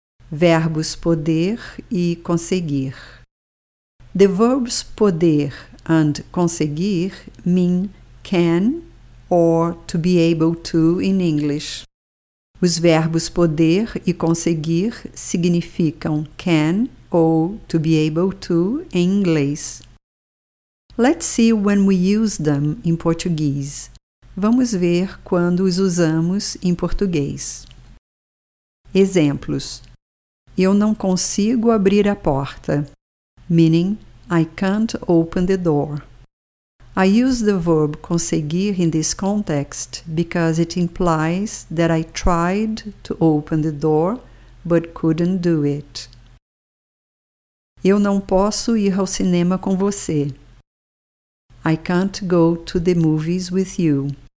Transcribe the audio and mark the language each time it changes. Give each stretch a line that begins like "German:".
Portuguese: Verbos poder e conseguir.
English: The verbs poder and conseguir mean can or to be able to in English.
Portuguese: Os verbos poder e conseguir significam can ou to be able to em inglês.
English: Let's see when we use them in Portuguese.
Portuguese: Vamos ver quando os usamos em português. Exemplos. Eu não consigo abrir a porta.
English: Meaning, I can't open the door. I use the verb conseguir in this context because it implies that I tried to open the door, but couldn't do it.
Portuguese: Eu não posso ir ao cinema com você.
English: I can't go to the movies with you.